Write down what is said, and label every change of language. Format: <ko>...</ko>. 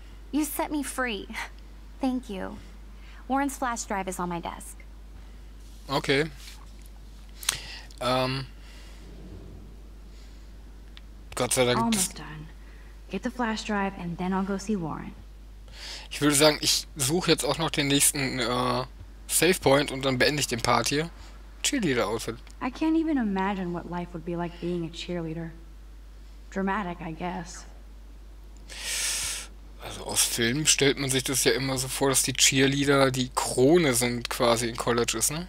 <en>You set me free. Thank you. Warren's flash drive is on my desk. Okay.</en> <de>Gott sei Dank.</de> <en>Almost done. Get the flash drive and then I'll go see Warren.</en> <de>Ich würde sagen, ich suche jetzt auch noch den nächsten Safe Point und dann beende ich den Part hier.</de> <en>Cheerleader Outfit. I can't even imagine what life would be like being a cheerleader. Dramatic, I guess.</en> <de>Also aus Filmen stellt man sich das ja immer so vor, dass die Cheerleader die Krone sind quasi in Colleges, ne?</de>